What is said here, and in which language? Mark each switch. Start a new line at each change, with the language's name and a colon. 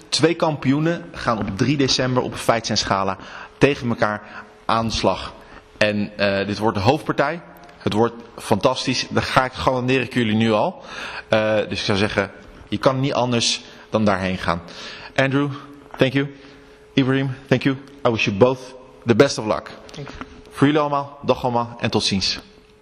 Dutch: Twee kampioenen gaan op 3 december op Fights & Scala tegen elkaar aan de slag. En dit wordt de hoofdpartij. Het wordt fantastisch. Dat garandeer ik jullie nu al. Dus ik zou zeggen, je kan niet anders dan daarheen gaan.
English: Andrew, thank you. Ibrahim, thank you. I wish you both the best of luck. Thanks.
Dutch: Voor jullie allemaal, dag allemaal en tot ziens.